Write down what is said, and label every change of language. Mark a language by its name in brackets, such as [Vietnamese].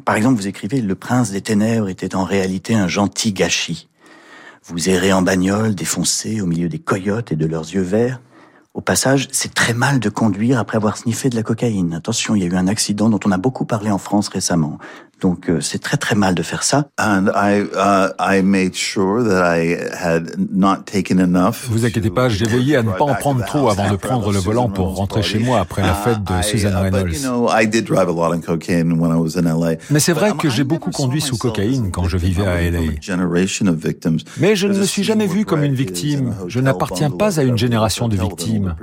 [French] Par exemple, vous écrivez « Le prince des ténèbres était en réalité un gentil gâchis ». Vous errez en bagnole, défoncé au milieu des coyotes et de leurs yeux verts. Au passage, c'est très mal de conduire après avoir sniffé de la cocaïne. Attention, il y a eu un accident dont on a beaucoup parlé en France récemment. Donc, c'est très très mal de faire ça. [English] And I made sure that I had not taken enough. [French] Vous inquiétez pas, j'ai veillé à ne pas en prendre trop avant de prendre le volant pour rentrer chez moi après la fête de Susan Reynolds. [English] I did drive a lot of cocaine when I was in LA. [French] Mais c'est vrai que j'ai beaucoup conduit sous cocaïne quand je vivais à LA. [English] Generation of victims. [French] Mais je ne me suis jamais vu comme une victime. Je n'appartiens pas à une génération de victimes.